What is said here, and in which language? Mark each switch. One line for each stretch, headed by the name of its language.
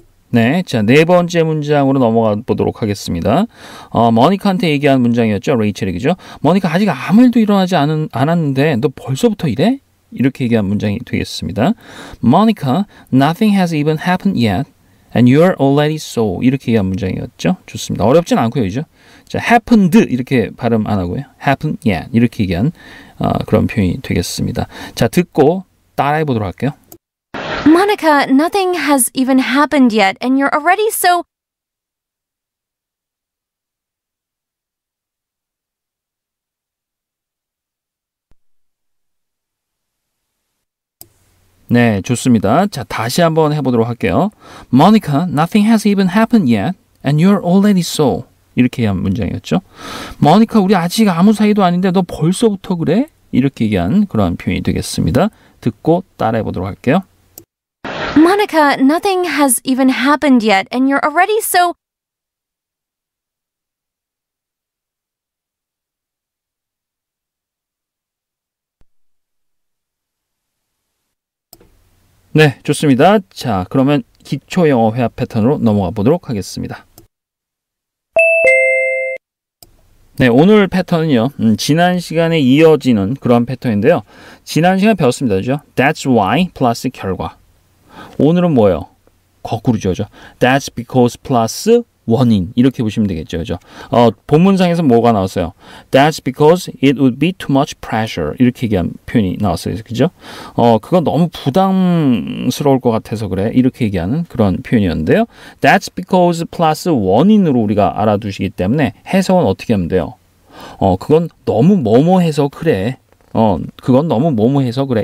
Korean: 네, 자, 네 번째 문장으로 넘어가 보도록 하겠습니다. 모니카한테 얘기한 문장이었죠, 레이첼이죠. 모니카, 아직 아무 일도 일어나지 않았는데 너 벌써부터 이래? 이렇게 얘기한 문장이 되겠습니다.
English: Monica, nothing has even happened yet, and you're already so.
Korean: 이렇게 얘기한 문장이었죠. 좋습니다. 어렵진 않고요, 이죠? 자, happened 이렇게 발음 안 하고요. Happened yet 이렇게 얘기한 그런 표현이 되겠습니다. 자, 듣고 따라해 보도록 할게요.
English: Monica, nothing has even happened yet, and you're already so.
Korean: 네, 좋습니다. 자, 다시 한번 해보도록 할게요.
English: Monica, nothing has even happened yet, and you're already so.
Korean: 이렇게 얘기한 문장이었죠. Monica, 우리 아직 아무 사이도 아닌데 너 벌써부터 그래? 이렇게 얘기한 그런 표현이 되겠습니다. 듣고 따라해보도록 할게요.
English: Monica, nothing has even happened yet, and you're already so...
Korean: 네, 좋습니다. 자, 그러면 기초 영어 회화 패턴으로 넘어가 보도록 하겠습니다. 네, 오늘 패턴은요. 지난 시간에 이어지는 그런 패턴인데요. 지난 시간에 배웠습니다. 그죠? That's why 플러스 결과. 오늘은 뭐예요? 거꾸로죠. 그죠? That's because 플러스 원인. 이렇게 보시면 되겠죠. 그죠? 본문상에서 뭐가 나왔어요?
English: That's because it would be too much pressure.
Korean: 이렇게 얘기한 표현이 나왔어요. 그죠? 그건 너무 부담스러울 것 같아서 그래. 이렇게 얘기하는 그런 표현이었는데요. That's because 플러스 원인으로 우리가 알아두시기 때문에 해석은 어떻게 하면 돼요? 그건 너무 뭐뭐 해서 그래. 그건 너무 뭐뭐 해서 그래.